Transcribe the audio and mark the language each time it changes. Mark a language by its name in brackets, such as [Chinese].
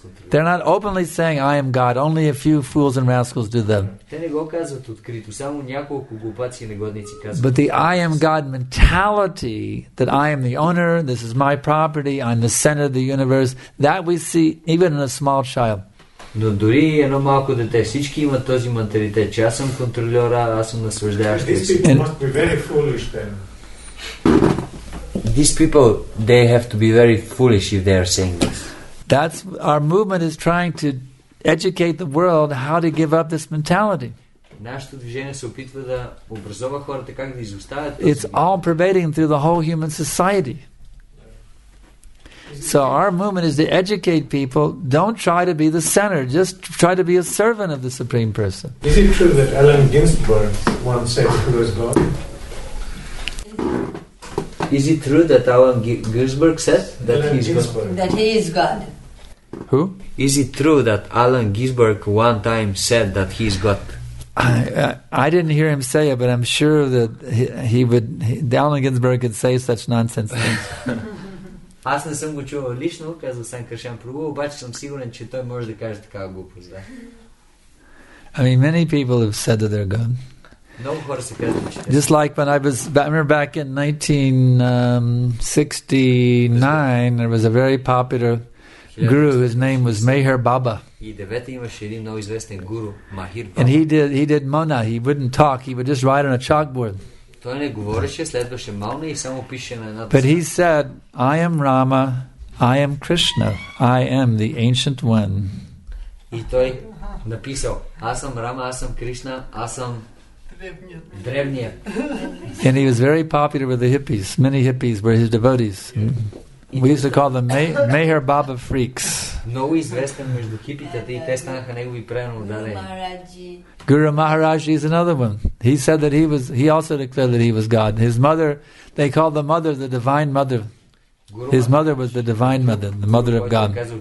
[English] They're not openly saying I am God. Only a few fools and rascals do that. But the I am God mentality, that I am the owner, this is my property, I'm the center of the universe, that we see even in a small child. [Bulgarian] Но дори и едно малко дете, всички имат този менталитет, че аз съм контролера, аз съм наслаждаващ. [English] These people, they have to be very foolish if they are saying this. That's our movement is trying to educate the world how to give up this mentality. [Bulgarian] Нашето движение се опитва да образова хората как да изоставят. [English] It's all pervading through the whole human society. So our movement is to educate people, don't try to be the center, just try to be a servant of the Supreme Person. Is it true that Allen Ginsberg once said, who is God? Is it true that Allen Ginsberg said that he is God? That he is God. Who? Is it true that Allen Ginsberg one time said that he is God? I didn't hear him say it, but I'm sure that Allen Ginsberg could say such nonsense things. [Bulgarian] Аз не съм го чувал лично, казва Сан Кришан Прабу, обаче съм сигурен, че той може да каже такава глупост. Да? [English] I mean, many people have said that they're God. [Bulgarian] Много хора се казват, че те. [English] Just like when I was, I remember back in 1969, there was a very popular guru, his name was Meher Baba. And he did Mona, he wouldn't talk, he would just write on a chalkboard. [Bulgarian] Той не говореше, следваше Мауна и само пише на едната. [English] But he said, I am Rama, I am Krishna, I am the ancient one. [Bulgarian] И той написал, аз съм Рама, аз съм Кришна, аз съм древния. [English] And he was very popular with the hippies. Many hippies were his devotees. We used to call them Meher Baba freaks. [Bulgarian] Много известен между хипитата и те станаха негови преноудари. [English] Guru Maharaj is another one. He said that he also declared that he was God. His mother, they called the mother the divine mother. His mother was the divine mother, the mother of God.